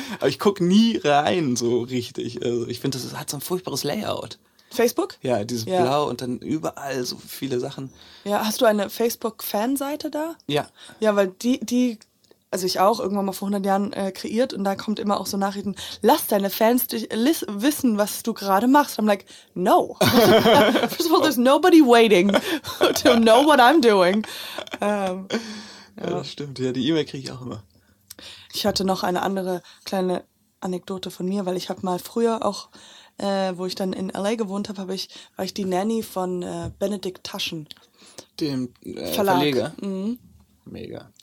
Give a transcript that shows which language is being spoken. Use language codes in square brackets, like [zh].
[de] Aber ich gucke nie rein so richtig. Also ich finde, das hat so ein furchtbares Layout. Facebook? Ja, dieses Blau und dann überall so viele Sachen. Ja, hast du eine Facebook-Fanseite da? Ja. Ja, weil die also ich auch, irgendwann mal vor 100 Jahren kreiert und da kommt immer auch so Nachrichten, lass deine Fans wissen, was du gerade machst. [en] I'm like, no. First of all, there's nobody waiting to know what I'm doing. [de] Ja, das stimmt. Ja, die E-Mail kriege ich auch immer. Ich hatte noch eine andere kleine Anekdote von mir, weil ich habe mal früher auch wo ich dann in L.A. gewohnt habe, war ich die Nanny von Benedikt Taschen. Dem Verleger? Mhm. Mega.